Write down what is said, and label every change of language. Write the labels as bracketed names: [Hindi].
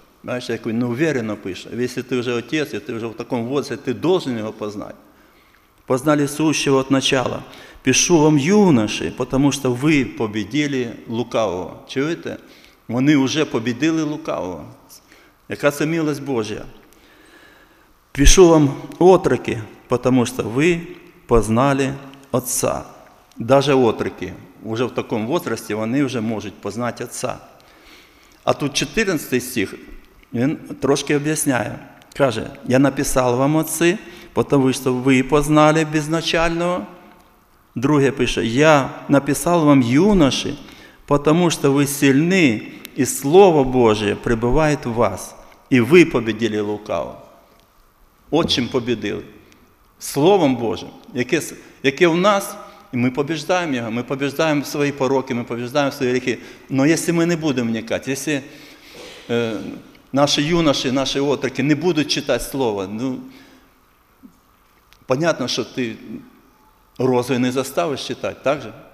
[Ukrainian] Бачите, як він неуверенно пише. Якщо ти вже отець, і ти вже в такому віці, ти должен його познати. Познали сущого від начала. Пишу вам, юноші, потому що ви побідили лукавого. Чуєте? Вони вже побідили лукавого. Яка це милость Божа? [Russian] Пишу вам, отроки, потому что вы познали Отца. Даже отроки уже в таком возрасте, они уже могут познать Отца. А тут 14 стих, он трошки объясняет. Каже, я написал вам, отцы, потому что вы познали безначального. Друге пише, я написал вам, юноши, потому что вы сильны, и Слово Божие пребывает в вас, и вы победили лукаво. Отчим победил. Словом Божим, яке в нас, [Ukrainian] І ми побіждаємо його, ми побіждаємо свої пороки, ми побіждаємо свої гріхи. Але якщо ми не будемо вникати, якщо наші юноші, наші отроки не будуть читати слово, ну, понятно, що ти розвій не заставиш читати, так же?